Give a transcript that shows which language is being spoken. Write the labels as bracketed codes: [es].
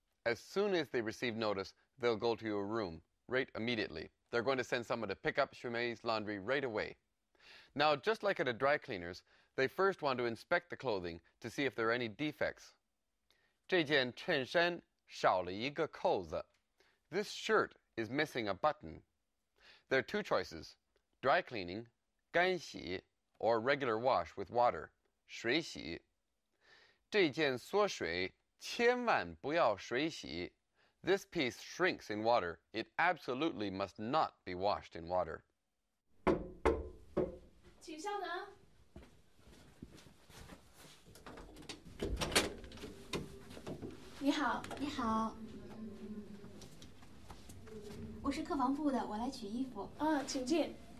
[en] As soon as they receive notice, they'll go to your room, right immediately. They're going to send someone to pick up Shumei's laundry right away. Now, just like at a dry cleaner's, they first want to inspect the clothing to see if there are any defects. [zh] 这件衬衫少了一个扣子. [en] This shirt is missing a button. There are two choices, dry cleaning, 干洗, or regular wash with water, 水洗. [zh] 这件缩水千万不要水洗. [en] This piece shrinks in water. It absolutely must not be washed in water. [zh] 请稍等。你好，你好。我是客房部的，我来取衣服。请进。